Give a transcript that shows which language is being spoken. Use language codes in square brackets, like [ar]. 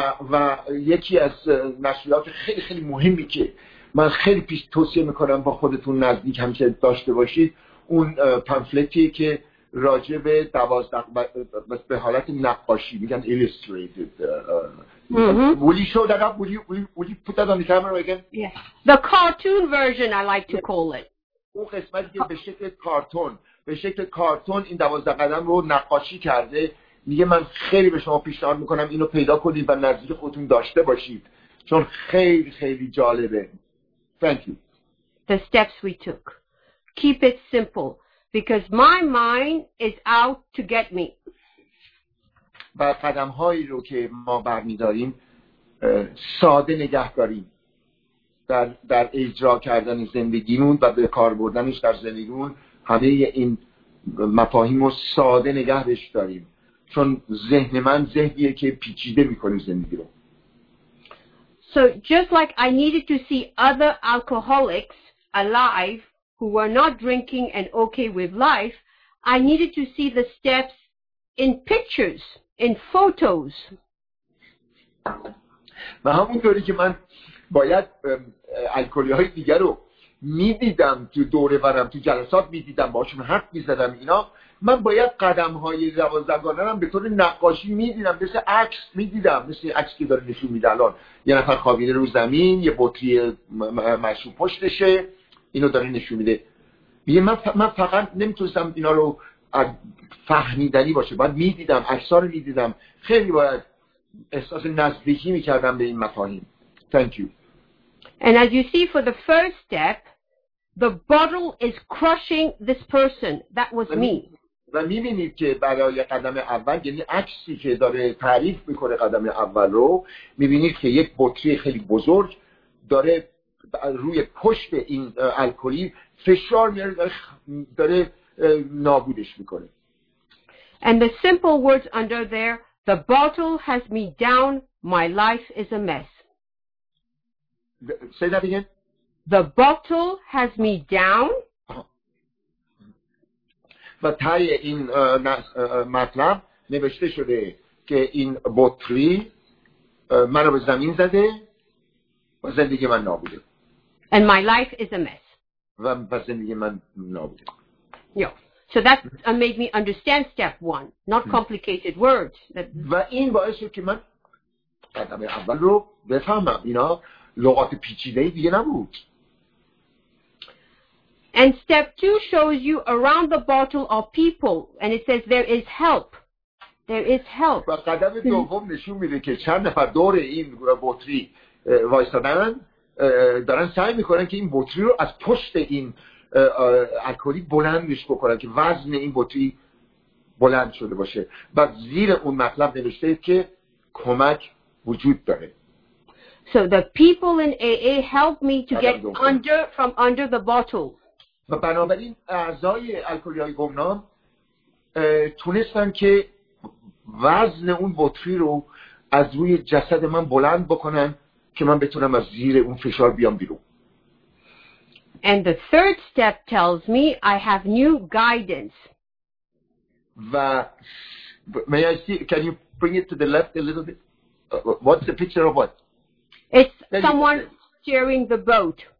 [fa] و یکی از مسئولات خیلی خیلی مهمی که من خیلی پیش توصیه میکنم با خودتون نزدیک همیشه داشته باشید، اون پمفلتیه که راجع به 12 به حالت نقاشی میگن illustrated. [en] Will you show that up? Will you put that on the camera again? Yes. The cartoon version, I like to call it. [fa] اون قسمتی که به شکل کارتون، به شکل کارتون این 12 قدم رو نقاشی کرده، میگه من خیلی به شما پیشنهاد میکنم اینو پیدا کنید و نزدیک خودتون داشته باشید، چون خیلی خیلی جالبه. [en] Thank you. The steps we took. Keep it simple because my mind is out to get me. [fa] و قدم هایی رو که ما برمیداریم ساده نگه داریم در اجرا کردن زندگیمون و به کار بردنش در زندگیمون، همه این مفاهیم رو ساده نگه بهش داریم، چون ذهن من ذهنیه که پیچیده میکنه زندگی رو. [en] So just like I needed to see other alcoholics alive who were not drinking and okay with life, I needed to see the steps in pictures, in photos. [fa] و همونطوری که من باید الکلی های دیگر رو میدیدم تو دوره برم، تو جلسات میدیدم، باشون حرف میزدم اینا، من باید قدم های دوازدگانه رو به طور نقاشی میدیدم، مثل عکس میدیدم، مثل عکسی که داره نشون میده الان، یه نفر خوابیده رو زمین، یه بطری مشروب پشتشه، اینو داره نشون میده. من فقط نمیتونستم اینا رو فهمیدنی باشه، باید میدیدم، عکس ها رو میدیدم، خیلی باید احساس نزدیکی میکردم به این مفاهیم. [en] Thank you. And as you see for the first step, the bottle is crushing this person. That was me. [fa] و می‌بینید که برای قدم اول، یعنی عکسی که داره تعریف می‌کنه قدم اول رو، می‌بینید که یک بطری خیلی بزرگ داره روی پشت این الکلی فشار میاره، داره نابودش می‌کنه. [en] And the simple words under there, the bottle has me down, my life is a mess. Say that again. The bottle has me down. [fa] و تای این مطلب نوشته شده که این بطری من رو به زمین زده و زندگی من نابوده. [en] And my life is a mess. [fa] و زندگی من نابوده. [en] Yeah. So that made me understand step one. Not complicated words. [fa] و این باعث شد که من قدم اول رو بفهمم. اینا لغات پیچیده دیگه نبود. [en] And step two shows you around the bottle are people, and it says there is help. There is help. [fa] و قدم دوم نشون میده که چند نفر دور این بطری وایستادن، دارن سعی میکنن که این بطری رو از پشت این الکلی بلندش بکنن، که وزن این بطری بلند شده باشه. و زیر اون مطلب نوشته که کمک وجود داره. [en] So the people in AA helped me to get under from under the bottle. [fa] و بنابراین اعضای الکلی های گمنام تونستن که وزن اون بطری رو از روی جسد من بلند بکنن که من بتونم از زیر اون فشار بیام بیرون. [en] And the third step tells me I have new guidance. و may I see, can you bring it to the left a little bit? What's the picture of what? It's there someone steering the boat.